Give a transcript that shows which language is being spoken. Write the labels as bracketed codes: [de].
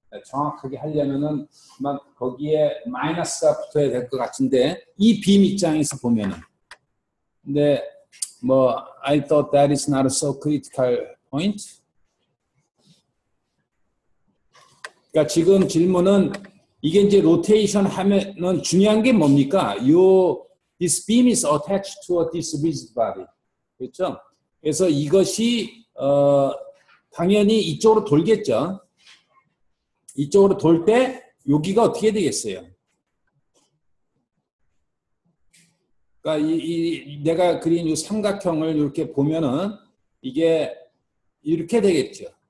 [ko] 정확하게 하려면은 막 거기에 마이너스가 붙어야 될 것 같은데 이 빔 입장에서 보면은 근데 뭐 [en] I thought that is not a so critical point. [ko] 그러니까 지금 질문은 이게 이제 로테이션 하면은 중요한 게 뭡니까? [en] This beam is attached to a this rigid body. [ko] 그렇죠? 그래서 이것이 당연히 이쪽으로 돌겠죠. 이쪽으로 돌 때 여기가 어떻게 되겠어요? 그러니까 내가 그린 이 삼각형을 이렇게 보면은 이게 이렇게 되겠죠.